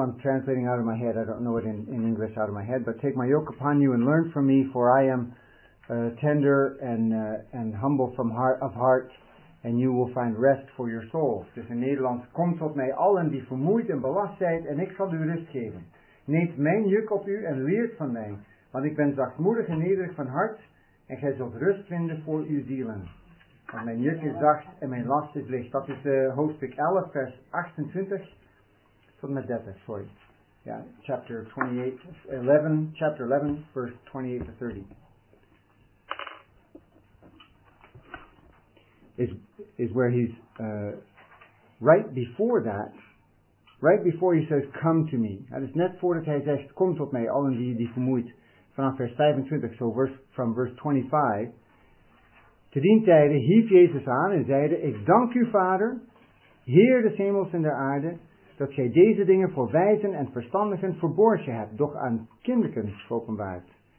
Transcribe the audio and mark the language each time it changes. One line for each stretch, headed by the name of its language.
English: I'm translating out of my head. I don't know it in English out of my head. But take my yoke upon you and learn from me, for I am tender and humble of heart, and you will find rest for your soul.
Dutch: Dus in Nederlands, kom tot mij allen die vermoeid en belast zijn, en ik zal u rust geven. Neemt mijn juk op u en leert van mij, want ik ben zachtmoedig en nederig van hart, en gij zult rust vinden voor uw zielen. Want mijn juk is zacht en mijn last is licht. Dat is hoofdstuk 11, vers 28 tot met 30, sorry.
English: Ja, chapter 11, vers 28 to 30. Is where he's right before he says, come to me.
Dutch: Dat is net voordat hij zegt, kom tot mij, allen die vermoeid. Vanaf vers 25,
English: from verse 25.
Dutch: Te dien tijde hief Jezus aan en zeide, ik dank u, Vader, Heer des hemels en der aarde, dat gij deze dingen voor wijzen en verstandigen verborgen hebt, doch aan kinderen openbaard.